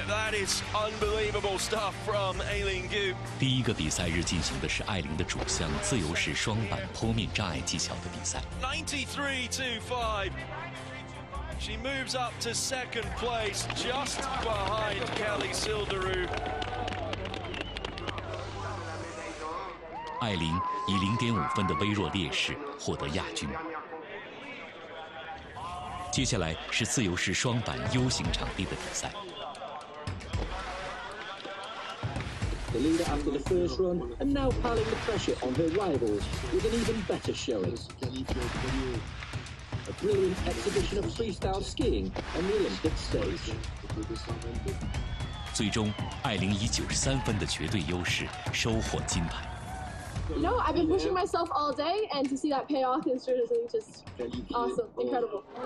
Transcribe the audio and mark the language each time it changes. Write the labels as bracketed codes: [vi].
[en] That is unbelievable stuff from Hey Lin Gu. [zh] 第一个比赛日进行的是艾琳的主项自由式双板坡面障碍技巧的比赛。 [en] 93.25. She moves up to second place, just behind Kelly Sildaru. [zh] 艾琳以0.5分的微弱劣势获得亚军。接下来是自由式双板 U 型场地的比赛。 [en] The leader after the first run, and now piling the pressure on her rivals with an even better showing. A brilliant exhibition of freestyle skiing on the Olympic stage. [zh] 最终，艾琳以93分的绝对优势收获金牌。 [en] You know, I've been pushing myself all day, and to see that pay off is really just awesome, incredible.